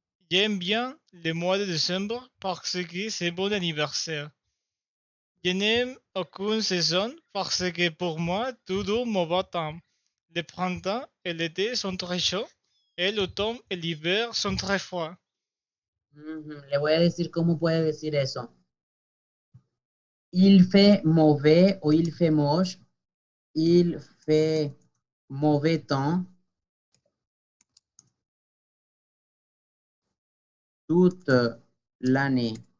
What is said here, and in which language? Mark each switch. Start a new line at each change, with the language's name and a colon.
French: J'aime bien le mois de décembre parce que c'est mon anniversaire. Je n'aime aucune saison parce que pour moi, tout dure mon beau temps. Le printemps et l'été sont très chauds et l'automne et l'hiver sont très froids.
Spanish: Le voy a decir cómo puede decir eso.
French: Il fait mauvais o il fait moche. Il fait mauvais temps. Toute l'année.